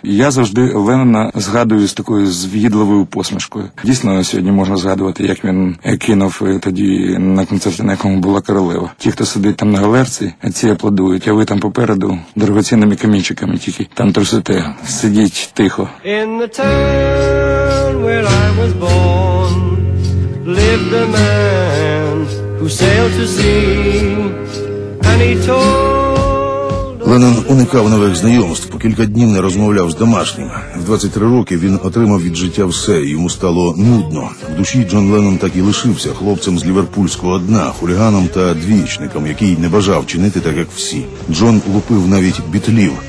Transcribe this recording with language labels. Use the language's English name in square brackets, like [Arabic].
[Ukrainian] Я завжди Леннона згадую з такою з'їдливою посмішкою. Дійсно, сьогодні можна згадувати, як він кинув тоді на концерті, на якому була королева. Ті, хто сидить там на галерці, ці аплодують, а ви там попереду дорогоцінними камінчиками тільки там трусите, сидіть тихо. [English] In the town where I was born lived a man who sailed to sea and he told. [Ukrainian] Леннон уникав нових знайомств, по кілька днів не розмовляв з домашніми. В 23 роки він отримав від життя все, йому стало нудно. В душі Джон Леннон так і лишився хлопцем з ліверпульського дна, хуліганом та двічником, який не бажав чинити так, як всі. Джон лупив навіть бітлів,